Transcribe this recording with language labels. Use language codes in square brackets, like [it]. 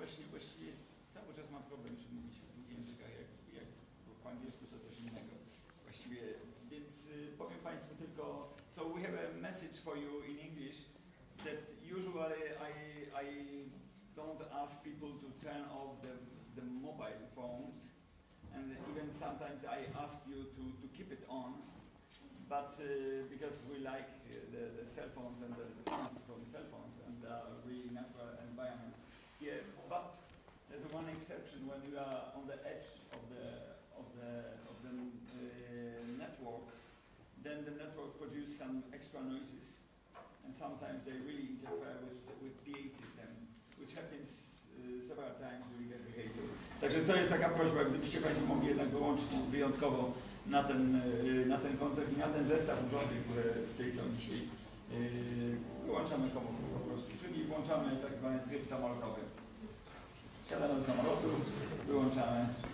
[pl] Właściwie cały czas mam problem, czy mówić w dwóch językach, jak po angielsku to coś innego. Właściwie, więc powiem Państwu tylko, [en] so we have a message for you in English that usually I don't ask people to turn off the mobile phones, and even sometimes I ask you to keep it on, but because we like the cell phones and the sounds from cell phones and we natural environment here. But there's one exception when you are on the edge of the network, then the network produces some extra noises, and sometimes they really interfere with PA system, which happens several times during every case. [pl] Także to jest taka prośba, gdybyście Państwo mogli jednak wyłączyć wyjątkowo na ten koncert i na ten zestaw urządzeń, które tutaj są dzisiaj. Wyłączamy komu po prostu, czyli włączamy tak zwany tryb samolotowy. Siadamy do samolotu, wyłączamy.